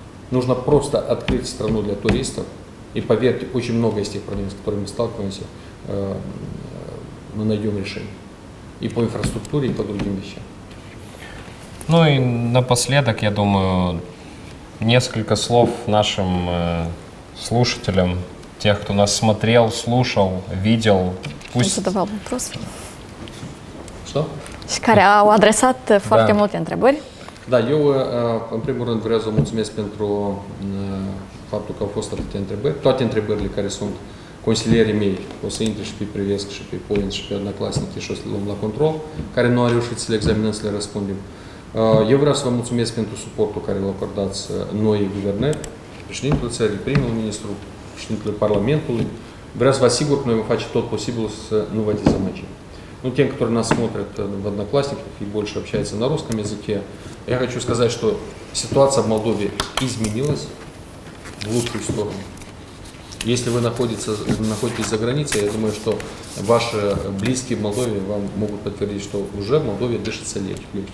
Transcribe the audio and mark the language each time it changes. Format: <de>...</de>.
<ru>Нужно просто открыть страну для туристов. И поверьте, очень много из тех проблем, с которыми мы сталкиваемся, мы найдем решение. И по инфраструктуре, и по другим вещам. Ну и напоследок, я думаю, несколько слов нашим слушателям, тех, кто нас смотрел, слушал, видел. Пусть задавал вопрос. Что?</ru> <ro>Care au adresat foarte multe întrebări. Da, eu în primul rând vreau să mulțumesc pentru faptul că au fost atâtea întrebări. Toate întrebările care sunt consilierii mei, o să intre și pe Privesc și pe Point și pe Одноклассники, și o să le luăm la control, care nu au reușit să le examinăm, să le răspundem. Eu vreau să vă mulțumesc pentru suportul care l-a acordat noi guvernet, președintele țării, primul ministru, președintele Parlamentului. Vreau să vă asigur că noi vom face tot posibil să nu vă dezamăgim.</ro> <ru>Ну, те, которые нас смотрят в Одноклассниках и больше общаются на русском языке, я хочу сказать, что ситуация в Молдове изменилась в лучшую сторону. Если вы находитесь за границей, я думаю, что ваши близкие в Молдове вам могут подтвердить, что уже в Молдове дышится легче.</ru>